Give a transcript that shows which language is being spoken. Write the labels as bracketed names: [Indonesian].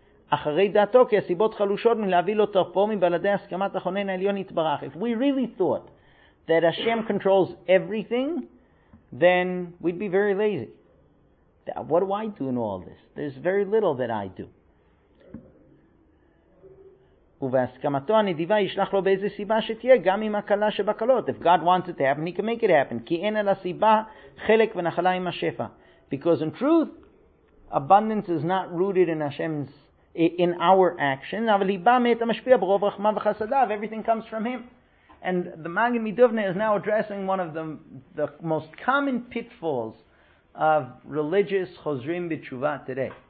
[Hebrew] אחרי דעתו, כי הסיבות חלושות מלהביא לו תרפו מבלעדי הסכמת החונן העליון יתברך. [English] If we really thought that Hashem controls everything, then we'd be very lazy. What do I do in all this? There's very little that I do. [Hebrew] ובהסכמתו הנדיבה ישלח לו באיזה סיבה שתהיה, גם עם הקלה שבקלות. [English] If God wants it to happen, he can make it happen. [Hebrew] כי אין על הסיבה חלק ונחלה עם השפע. [English] Because in truth, abundance is not rooted in Hashem's, in our action, [Hebrew] אבל היא באה מאת המשפיע ברוב רחמה וחסדיו. [English] Everything comes from him. And the Magen Midovne is now addressing one of the most common pitfalls of religious chozrim b'tshuva today.